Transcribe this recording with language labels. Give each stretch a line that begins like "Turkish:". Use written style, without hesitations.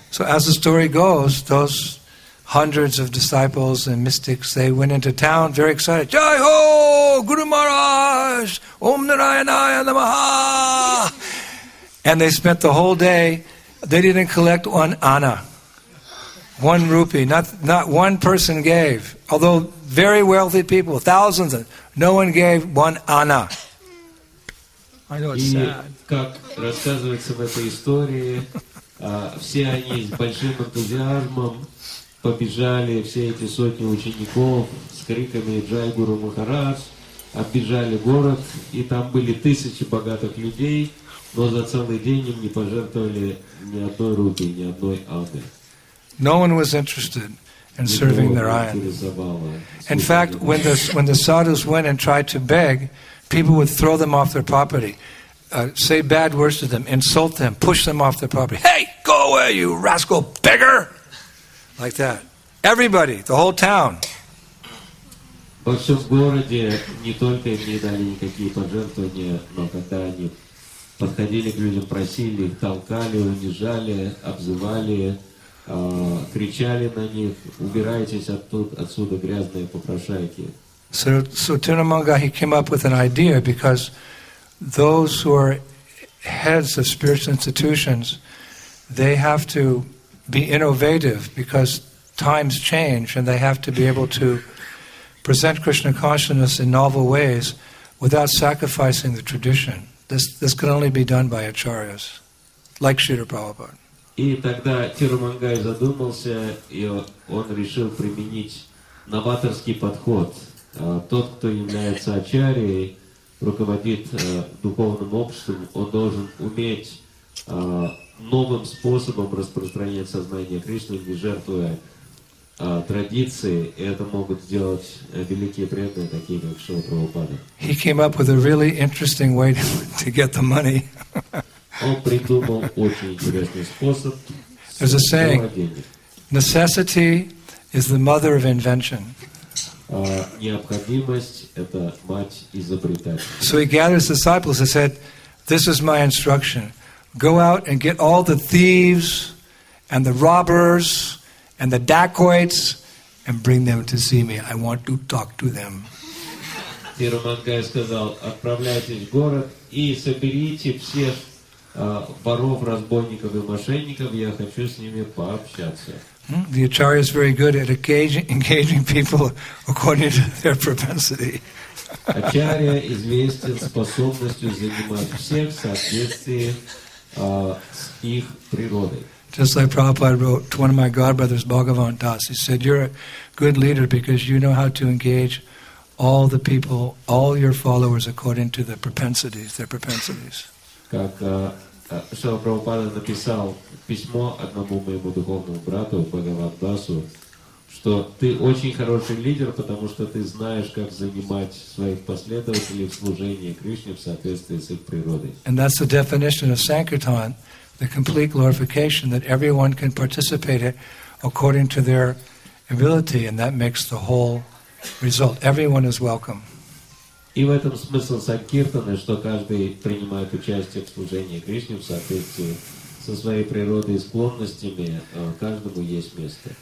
English: So as the story goes, those hundreds of disciples and mystics, they went into town very excited.
Hindi: "Jai Ho! Guru Maharaj!
Sanskrit: Om Narayanaya Namaha!"
English: And they spent the whole day, they didn't collect one anna, one rupee, not one person gave. Although very wealthy people, thousands of them, no one gave one anna. I know it's sad.
Russian: Все они с большим энтузиазмом побежали все эти сотни учеников с криками «Джай Гуру Махарадж», оббежали город, и там были тысячи богатых людей, но за целый день им не пожертвовали ни одной рупии, ни одной алмы.
English: No one was interested in serving Narayana. In fact, when the sadhus went and tried to beg, people would throw them off their property, say bad words to them, insult them, push them off their property. Hey, go away, you rascal beggar! Like that. Everybody, the whole town.
Russian: Во всем городе не только им не дали никакие пожертвования, но когда они подходили к людям, просили, толкали, унижали, обзывали, кричали на них, убирайтесь отсюда, грязные попрошайки.
English: So Tirumanga, he came up with an idea because those who are heads of spiritual institutions, they have to be innovative because times change and they have to be able to present Krishna consciousness in novel ways without sacrificing the tradition. This can only be done by acharyas, like Śrīla Prabhupāda.
Russian: И тогда Тирумангай задумался, и он решил применить новаторский подход. Тот, кто является ачарьей, руководит духовным обществом, он должен уметь новым способом распространять сознание Кришны, не жертвуя традиции. Это могут сделать великие преданные, такие как Шрила Прабхупада.
English: He came up with a really interesting way to get the money.
Russian: Он придумал очень интересный способ.
English: There's a saying: necessity is the mother of invention.
Russian: Необходимость — это мать изобретателя.
English: So he gathered his disciples and said, "This is my instruction: go out and get all the thieves and the robbers and the dacoits and bring them to see me. I want to talk to them."
Russian: Тирумангай сказал: "Отправляйтесь в город и соберите всех воров, разбойников и мошенников. Я хочу с ними пообщаться."
English: The acharya is very good at engaging people according to their propensity.
Russian: Acharya известен способностью занимать всех в соответствии с их природой.
English: Just like Prabhupada wrote to one of my godbrothers, Bhagavan Das, he said, "You're a good leader because you know how to engage all the people, all your followers, according to their propensities, their propensities."
Russian: Как Шрила Прабхупада написал письмо одному моему духовному брату Бхагаван Дасу, что ты очень хороший лидер, потому что ты знаешь, как занимать своих последователей в служении Кришне в соответствии с их природой.
English: And that's the definition of sankirtan, the complete glorification that everyone can participate in according to their ability, and that makes the whole result. Everyone is welcome.
Russian: И в этом смысл санкиртаны, что каждый принимает участие в служении Кришне в соответствии со своей природой и склонностями, каждому есть место.